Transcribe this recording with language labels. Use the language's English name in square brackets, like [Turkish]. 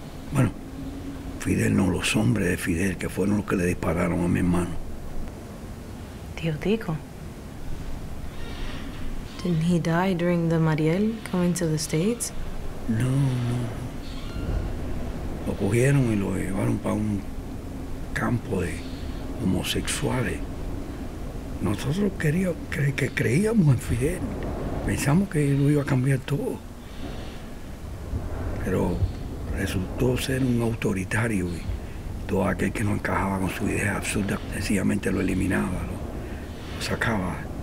[Spanish] Bueno, Fidel no, los hombres de Fidel, que fueron los que le dispararon a mi hermano. Tío Tico. [English] Didn't he die during the Mariel coming to the States? [Spanish] No, no. Lo cogieron y lo llevaron para un campo de homosexuales. Nosotros creíamos en Fidel. Pensamos que lo iba a cambiar todo. Pero resultó ser un autoritario y todo aquel que no encajaba con su idea absurda sencillamente lo eliminaba, lo sacaba.